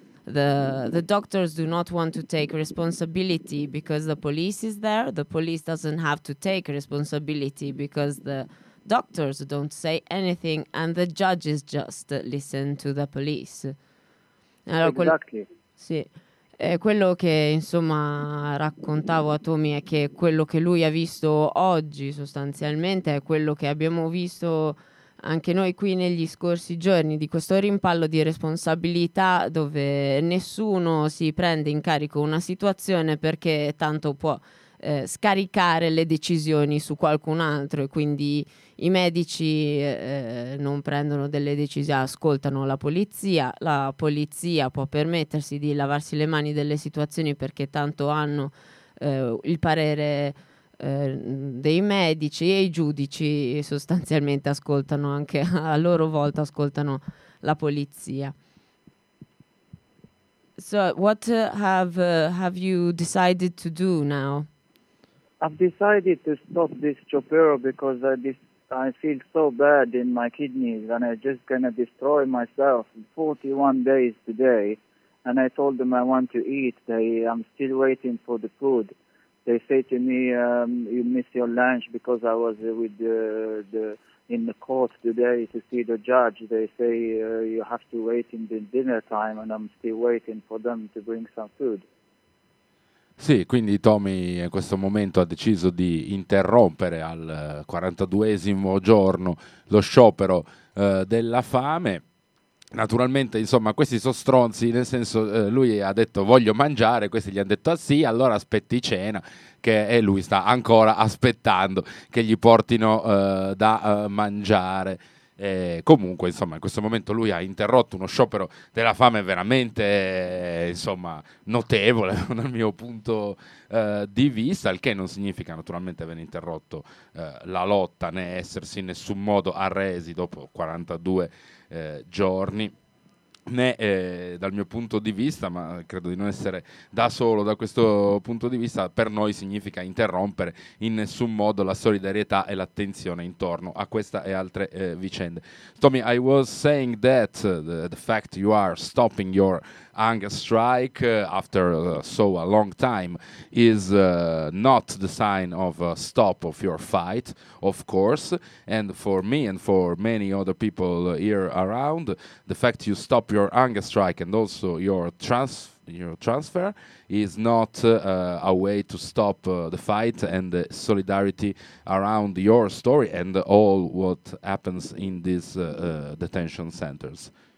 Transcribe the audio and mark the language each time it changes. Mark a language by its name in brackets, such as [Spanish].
[English] The doctors do not want to take responsibility because the police is there. The police doesn't have to take responsibility because doctors don't say anything and the judges just listen to the police. [Italian] Allora, [English] exactly. [Italian] Sì. Quello che insomma raccontavo a Tommy è che quello che lui ha visto oggi sostanzialmente è quello che abbiamo visto anche noi qui negli scorsi giorni, di questo rimpallo di responsabilità dove nessuno si prende in carico una situazione perché tanto può scaricare le decisioni su qualcun altro e quindi i medici non prendono delle decisioni, ascoltano la polizia può permettersi di lavarsi le mani delle situazioni perché tanto hanno il parere dei medici e i giudici sostanzialmente ascoltano anche a loro volta ascoltano la polizia. [English] So what have you decided to do now? I've decided to stop this Chopero because I feel so bad in my kidneys and I'm just gonna destroy myself. 41 days today, and I told them I want to eat. I'm still waiting for the food. They say to me, "You missed your lunch because I was with in the court today to see the judge." They say you have to wait in the dinner time, and I'm still waiting for them to bring some food. [Italian] Sì, quindi Tommy in questo momento ha deciso di interrompere al 42esimo giorno lo sciopero della fame. Naturalmente, insomma, questi sono stronzi, nel senso lui ha detto voglio mangiare, questi gli hanno detto ah sì, allora aspetti cena, che e lui sta ancora aspettando che gli portino da mangiare. E comunque, insomma, in questo momento lui ha interrotto uno sciopero della fame veramente, insomma, notevole dal mio punto di vista, il che non significa naturalmente aver interrotto la lotta né essersi in nessun modo arresi dopo 42 giorni, né dal mio punto di vista, ma credo di non essere da solo da questo punto di vista, per noi significa interrompere in nessun modo la solidarietà e l'attenzione intorno a questa e altre vicende. [English] Tommy, I was saying that the fact you are stopping your hunger strike after so a long time is not the sign of a stop of your fight, of course, and for me and for many other people here around, the fact you stop your hunger strike and also your transfer is not a way to stop the fight and the solidarity around your story and all what happens in these detention centers.